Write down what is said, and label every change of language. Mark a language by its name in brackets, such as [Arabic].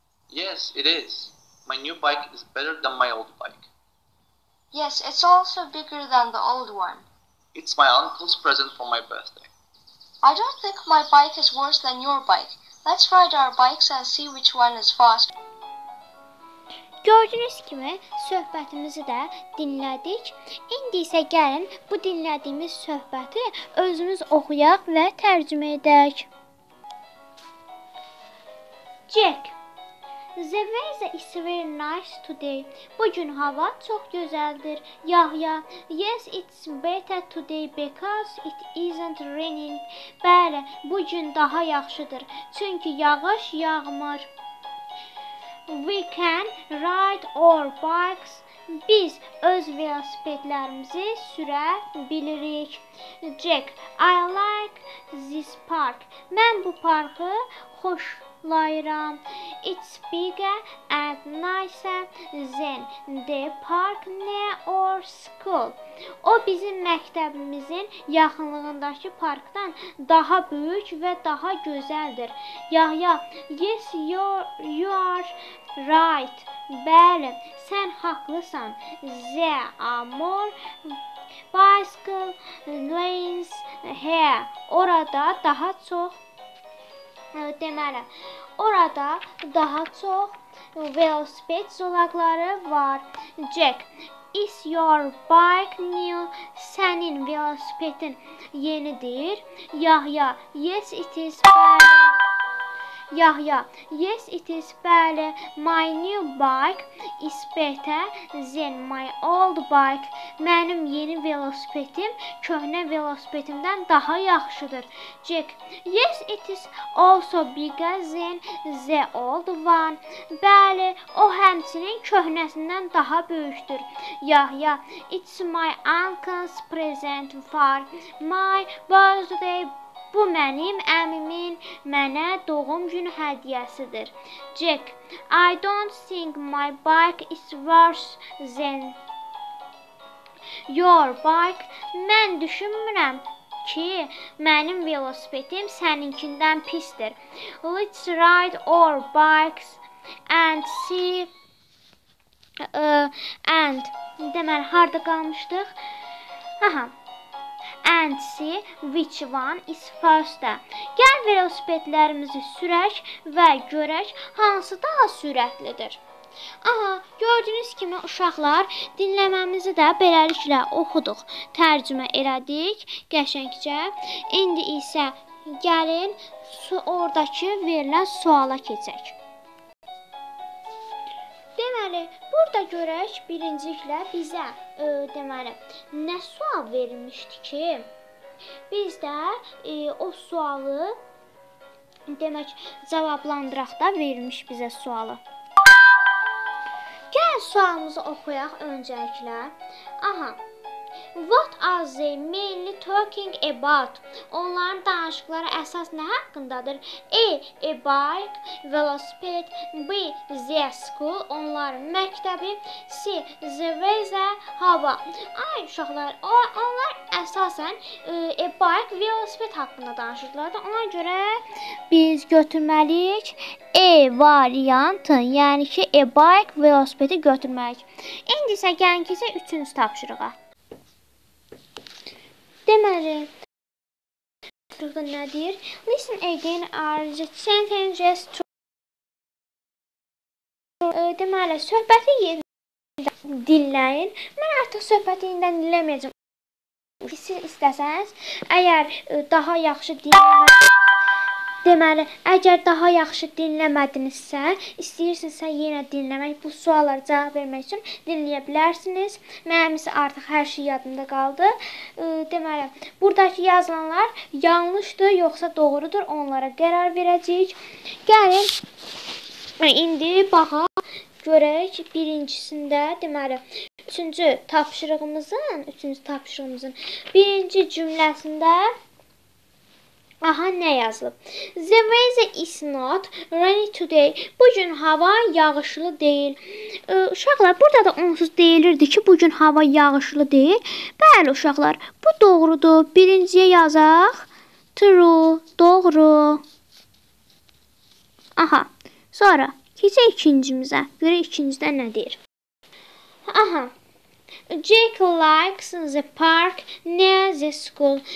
[English] Yes, it is. My new bike is better than my old bike. Yes, it's also bigger than the old one. It's my uncle's present for my birthday. I don't think my bike is worse than your bike. Let's ride our bikes and see which one is faster. [Azerbaijani] Gördüyünüz kimi söhbətimizi də dinlədik. İndi isə gəlin bu dinlədiyimiz söhbəti özümüz oxuyaq və tərcümə edək. [English] Jack, the weather is very nice today. [Azerbaijani] Bugün hava çox gözəldir. [English] Yahya, yes, it's better today because it isn't raining. [Azerbaijani] Bəli, bugün daha yaxşıdır. Çünki yağış yağmır. [English] We can ride our bikes. [Azerbaijani] Biz öz velosipedlərimizi sürə bilirik. [English] Jack, I like this park. [Azerbaijani] Mən bu parkı xoşlayıram. [English] It's bigger and nicer than the park near our school. [Azerbaijani] O bizim məktəbimizin yaxınlığındakı parkdan daha böyük və daha gözəldir. [English] Yahya, yes, you are right. [Azerbaijani] Bəli, sən haqlısan. [English] There are more bicycle lanes here. [Azerbaijani] Orada daha çox deməli. Orada daha çox velosiped zolaqları var. [English] Jack, is your bike new? [Azerbaijani] Sənin velosipedin yenidir? [English] Yahya, yes it is. Yahya. Yes, it is better. My new bike is better than my old bike. [Azerbaijani] Mənim yeni velosipedim köhnə velosipedimdən daha yaxşıdır. [English] Jack. Yes, it is also bigger than the old one. [Azerbaijani] Bəli, o həmçinin köhnəsindən daha böyükdür. [English] Yahya. It's my uncle's present for my birthday. [Azerbaijani] Bu mənim əmimin mənə doğum günü hədiyəsidir. [English] Jack, I don't think my bike is worse than your bike. [Azerbaijani] Mən düşünmürəm ki, mənim velosipedim səninkindən pisdir. [English] Let's ride our bikes and see and [Azerbaijani] deməli harda qalmışdıq? Aha. [English] And see which one is faster. [Azerbaijani] Gəl velosipedlərimizi sürək və görək hansı daha sürətlidir. Aha, gördüyünüz kimi uşaqlar, dinləməmizi də beləliklə oxuduq, tərcümə elədik qəşəngcə. İndi isə gəlin oradakı verilən suala keçək. Deməli, burada görək birinciliklə bizə deməli, nə sual verilmişdi ki, biz də o sualı, demək, cavablandıraq da verilmiş bizə sualı. Gəl sualımızı oxuyaq öncəliklə. [English] Aha, what are they mainly talking about? [Azerbaijani] Onların danışıqları əsas nə haqqındadır? A. [English] A bike, [Azerbaijani] velosiped. B. [English] The school, [Azerbaijani] onların məktəbi. [English] C. The weather, [Azerbaijani] hava. Ay, uşaqlar, onlar əsasən [English] a bike, [Azerbaijani] velosiped haqqında danışırlardı. Ona görə biz götürməliyik A variantı, yəni ki, [English] a bike, [Azerbaijani] velosipedi götürmək. İndi isə gəlin keçə üçüncü tapşırığa. Deməli, tapşırıq nədir? [English] Listen again, are the sentences true? [Azerbaijani] Deməli, söhbəti yenidən dinləyin. Mən artıq söhbəti yenidən dinləməyəcəm. Siz istəsəniz, əgər daha yaxşı deməli, əgər daha yaxşı dinləmədinizsə, istəyirsinizsə yenə dinləmək, bu suallara cavab vermək üçün dinləyə bilərsiniz. Mənim isə artıq hər şey yadımda qaldı. Deməli, buradakı yazılanlar yanlışdır, yoxsa doğrudur, onlara qərar verəcəyik. Gəlin, indi baxaq, görək birincisində, deməli, üçüncü tapşırığımızın birinci cümləsində, aha, nə yazılıb? [English] The weather is not rainy today. [Azerbaijani] Bugün hava yağışlı deyil. Uşaqlar, burada da onsuz deyilirdi ki, bugün hava yağışlı deyil. Bəli, uşaqlar, bu doğrudur. Birinciyə yazaq. [English] True, [Azerbaijani] doğru. Aha, sonra keçək ikincimizə. Görək ikincidə nə deyir? Aha. [English] Jack likes the park near the school.